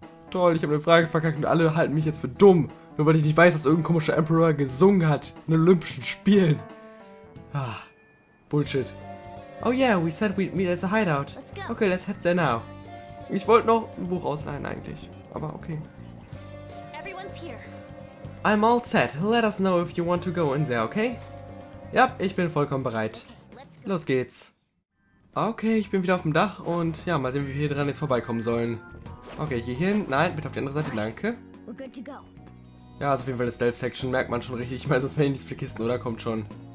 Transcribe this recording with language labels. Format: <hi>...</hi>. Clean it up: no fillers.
<de>Toll, ich habe eine Frage verkackt und alle halten mich jetzt für dumm. Nur weil ich nicht weiß, dass irgendein komischer Emperor gesungen hat in Olympischen Spielen.</de> <en>Bullshit. Oh yeah, we said we'd meet at the hideout. Let's go. Okay, let's head there now.</en> <de>Ich wollte noch ein Buch ausleihen eigentlich, aber okay.</de> <en>I'm all set. Let us know if you want to go in there, okay?</en> <de>Yep, ich bin vollkommen bereit. Los geht's. Okay, ich bin wieder auf dem Dach und ja, mal sehen, wie wir hier dran jetzt vorbeikommen sollen. Okay, hier hin. Nein, bitte auf die andere Seite. Danke. Ja, also auf jeden Fall eine Stealth-Section, merkt man schon richtig. Ich meine, sonst wäre ich nicht für Kisten, oder? Kommt schon.</de>